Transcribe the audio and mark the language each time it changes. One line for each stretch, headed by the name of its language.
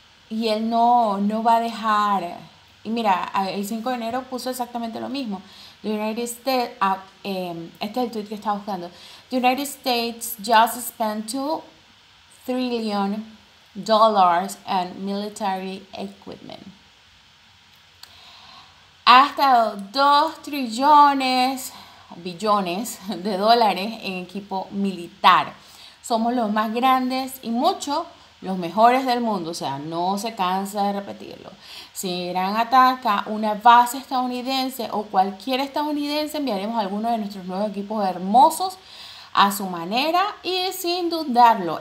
Spanish: Y él no va a dejar. Y mira, el 5 de enero puso exactamente lo mismo. The United States, este es el tweet que estaba buscando.
English: The United States just spent 2 trillion dollars on military equipment.
Spanish: Ha gastado 2 trillones, billones de dólares en equipo militar. Somos los más grandes y mucho los mejores del mundo, o sea, no se cansa de repetirlo. Si Irán ataca una base estadounidense o cualquier estadounidense, enviaremos a alguno de nuestros nuevos equipos hermosos a su manera y sin dudarlo.